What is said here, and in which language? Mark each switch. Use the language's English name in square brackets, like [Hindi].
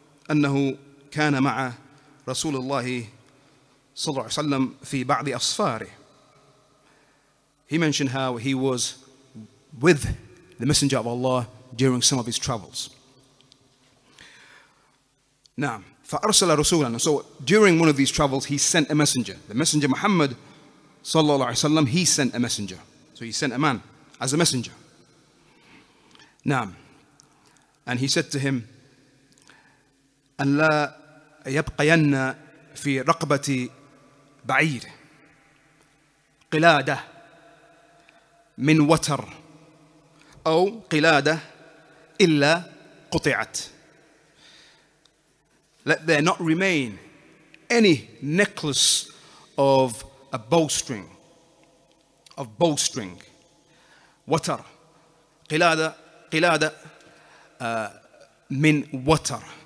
[Arabic] أنه كان مع رسول الله صلى الله عليه وسلم في بعض أصفاره. [English] He mentioned how he was with the Messenger of Allah during some of his travels. [Arabic] نعم. فأرسل رسولا. [English] So during one of these travels, he sent a messenger. The Messenger Muhammad [Arabic] صلى الله عليه وسلم, [English] he sent a messenger. So he sent a man as a messenger. [Arabic] نعم. [English] And he said to him, [Arabic] أن لا يبقين في رقبة بعير قلادة من وتر أو قلادة إلا قطعت. [English] Let there not remain any necklace of a bowstring, of bowstring, water, [Arabic] قلادة من وتر.